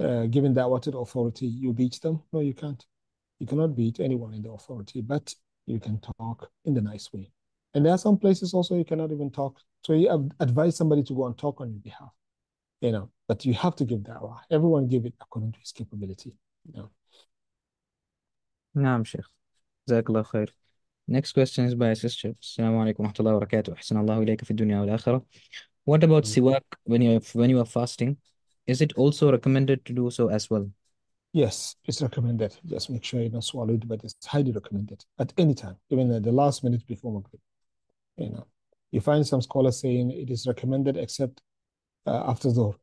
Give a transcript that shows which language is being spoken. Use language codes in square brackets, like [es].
[en] Giving da'wah to the authority, you beat them, no, you can't. You cannot beat anyone in the authority, but you can talk in the nice way. And there are some places also you cannot even talk. So you advise somebody to go and talk on your behalf, you know. But you have to give da'wah. Everyone give it according to his capability, you know. [ar] Naam, Sheikh. جزاك الله خير. [en] Next question is by a sister. [ar] السلام عليكم ورحمة الله وبركاته. أحسن الله إليك في الدنيا والآخرة. [en] What about siwak when you are fasting? Is it also recommended to do so as well? Yes, it's recommended. Just make sure you don't swallow it, but it's highly recommended at any time, even at the last minute before Maghrib. You know, you find some scholars saying it is recommended except after Zuhr.